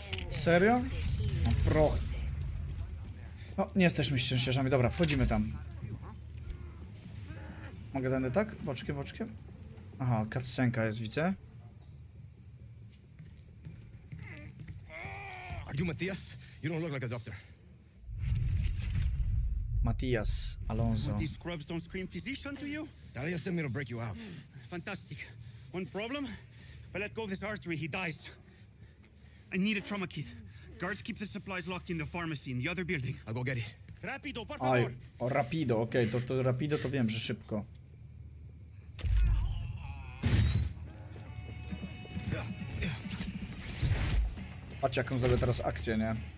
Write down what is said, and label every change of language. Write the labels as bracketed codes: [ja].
[pl] Serio? No, proch. No, nie jesteśmy szczęściarzami. Dobra, wchodzimy tam. Mogę tędy tak? Boczkiem, boczkiem. Aha, cutscenka jest, widzę. [en] You Matthias? You don't look like a doctor. Matthias Alonso. These scrubs don't scream physician to you? Dalia sent me to break you off. Fantastic. One problem? If I let go of this artery, he dies. I need a trauma kit. Guards keep the supplies locked in the pharmacy in the other building. I'll go get it. [es] Rapido, por favor. [pl] O, rapido, okej, okay. To rapido to wiem, że szybko. Patrz, jaką zrobię teraz akcję, nie?